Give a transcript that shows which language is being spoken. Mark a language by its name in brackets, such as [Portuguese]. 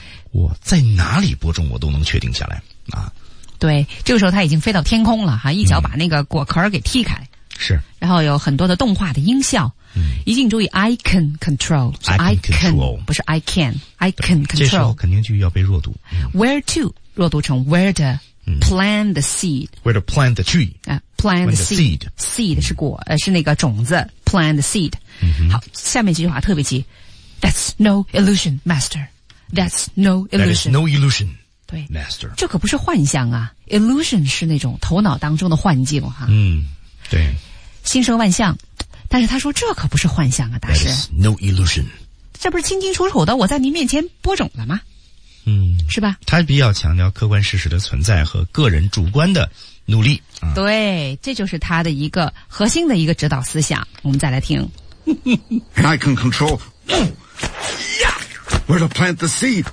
[Chinese] 我在哪里播种，我都能确定下来啊！对，这个时候他已经飞到天空了哈，一脚把那个果壳给踢开。是。然后有很多的动画的音效。一定注意 [English] ，I can control， I can control， [Chinese] 不是 [English] I can， I can control。 [Chinese] 这时候肯定就要被弱读。 Where to 弱读成 Where to plant the seed？ Where to plant the tree？ Plant the seed， seed 是果，是那个种子。 Plant the seed。好，下面这句话特别急。 [English] That's no illusion, Master. That's no illusion. That is no illusion. [Chinese] 对 [English] ，Master， [Chinese] 这可不是幻象啊。Illusion 是那种头脑当中的幻境哈。对。心生万象，但是他说这可不是幻象啊，大师。 [English] That is no illusion. [Chinese] 这不是清清楚楚的，我在您面前播种了吗？是吧？他比较强调客观事实的存在和个人主观的努力。对，这就是他的一个核心的一个指导思想。我们再来听。 [English] I can control where to plant the seed.